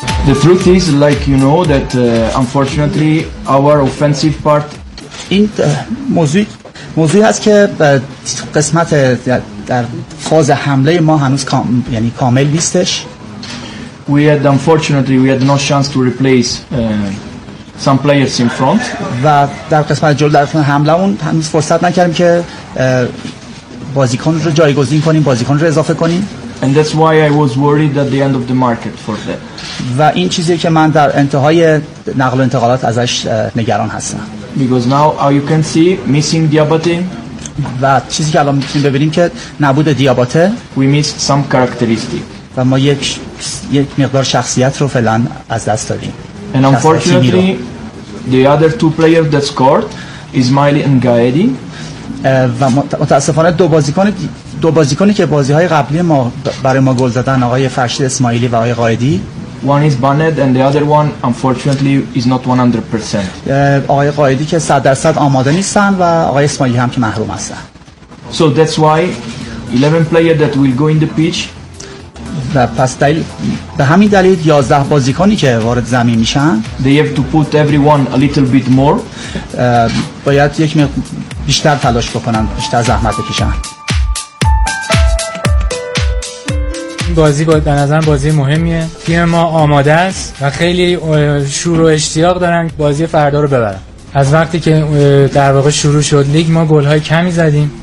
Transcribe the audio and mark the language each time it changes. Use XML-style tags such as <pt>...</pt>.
<en>The truth is, like you know, that unfortunately our offensive part in the music</en> <fa>موضوعی هست که قسمت در فاز حمله ما هنوز یعنی کامل نیستش.</fa> <en>We had unfortunately we had no chance to replace some players in front.</en> <fa>و در قسمت جلو در حمله اون هنوز فرصت نکردیم که بازیکن رو جایگزین کنیم، بازیکن رو اضافه کنیم.</fa> <en>And that's why I was worried at the end of the market for that.</en> <fa>و این چیزی که من در انتهای نقل و انتقالات ازش نگران هستم.</fa> <en>Because now you can see missing Diabate.</en> <fa>و چیزی که الان میتونیم ببینیم که نبود دیاباته.</fa> <en>We missed some characteristic.</en> <fa>و ما یک مقدار شخصیت رو فعلا از دست دادیم.</fa> <en>And unfortunately the other two players that scored Ismaili and Gaedi.</en> <fa>و متاسفانه دو بازیکنی که بازی‌های قبلی ما برای ما گل زدن، آقای فرشید اسماعیلی و آقای قائدی.</fa> <en>One is Barnett and the other one unfortunately is not 100%.</en> <fa>آقای قائدی که 100% آماده نیستن و آقای اسماعیلی هم که محروم هستن.</fa> <en>So that's why 11 players that will go in the pitch.</en> <fa>و پس دلیل به همین دلیل 11 بازیکنی که وارد زمین میشن.</fa> <en>They have to put everyone a little bit more.</en> <fa>باید یک بیشتر تلاش بکنن، بیشتر زحمت بکشن. بازی در نظرم بازی مهمیه، تیم ما آماده است و خیلی شور و اشتیاق دارن بازی فردا رو ببرن. از وقتی که در واقع شروع شد لیگ ما گل‌های کمی زدیم.</fa>